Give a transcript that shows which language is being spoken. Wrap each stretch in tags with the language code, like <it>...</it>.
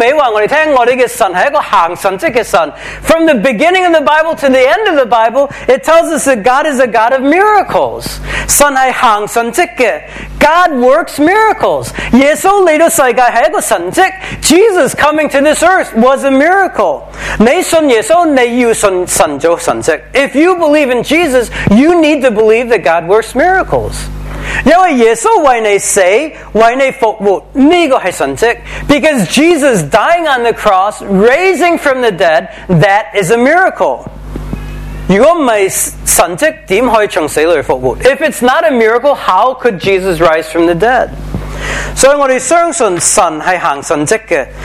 <zh>所以圣经由头到尾告诉我们，我们的神是一个行神迹的神。</zh> <en>From the beginning of the Bible to the end of the Bible, it tells us that God is a God of miracles.</en> <zh>神是行神迹的。</zh> <en>God works miracles.</en> <zh>耶稣来到世界是一个神迹。</zh> <en>Jesus coming to this earth was a miracle.</en> <zh>你信耶稣，你要信神做神迹。</zh> <en>If you believe in Jesus, you need to believe that God works miracles.</en> <zh>因为耶稣为你死，为你复活，这个是神迹。</zh> <en>Because Jesus dying on the cross, raising from the dead, that is a miracle.</en> <zh>如果不是神迹，怎可以从死里复活？</zh> <en>If it's not a miracle, how could Jesus rise from the dead?</en> <zh>所以我们相信神是行神迹的。</zh>